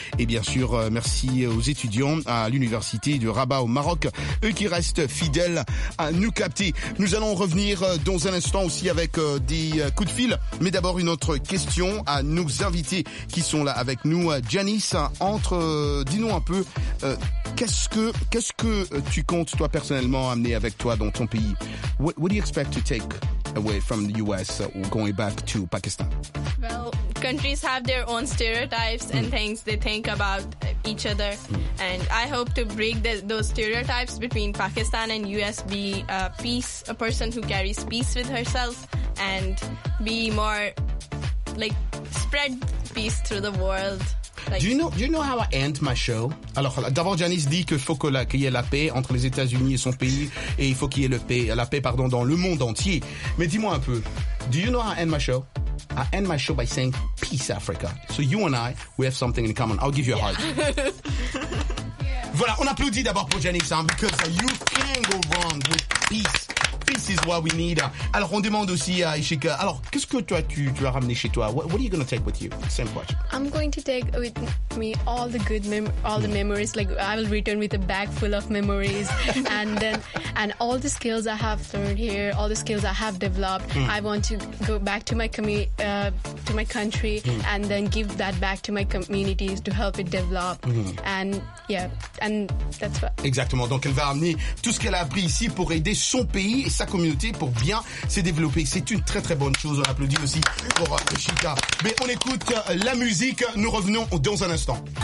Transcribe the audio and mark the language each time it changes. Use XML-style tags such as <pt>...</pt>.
<fr>Et bien sûr, merci aux étudiants à l'université de Rabat au Maroc, eux qui restent fidèles à nous capter. Nous allons revenir dans un instant aussi avec des coups de fil. Mais d'abord, une autre question à nos invités qui sont là avec nous. Janice, entre, dis-nous un peu, qu'est-ce que tu comptes, toi, personnellement, amener avec toi dans ton pays?</fr> <en>What do you expect to take away from the US or going back to Pakistan? Well, countries have their own stereotypes and things they think about each other. And I hope to break those stereotypes between Pakistan and US, be a person who carries peace with herself and be more, like, spread peace through the world. Like, do you know how I end my show?</en> <fr>Alors, d'abord, Janice dit qu'il faut qu'il y ait la paix entre les États-Unis et son pays, et il faut qu'il y ait la paix, dans le monde entier. Mais dis-moi un peu,</fr> <en>do you know how I end my show? I end my show by saying, peace, Africa. So you and I, we have something in common. I'll give you a hug.</en> <fr>Voilà, on applaudit d'abord pour Janice, hein,</fr> <en>because you can't go wrong with peace. This is what we need.</en> <fr>Alors, on demande aussi à Ishika. Alors, qu'est-ce que toi, tu as ramené chez toi?</fr> <en>What are you going to take with you? Same question. I'm going to take with me all the good all the memories. Like, I will return with a bag full of memories. and all the skills I have learned here, all the skills I have developed, I want to go back to my country and then give that back to my communities to help it develop. And that's what.</en> <fr>Exactement. Donc, elle va amener tout ce qu'elle a appris ici pour aider son pays, sa communauté pour bien se développer. C'est une très très bonne chose. On applaudit aussi pour Chica. Mais on écoute la musique. Nous revenons dans un instant.</fr>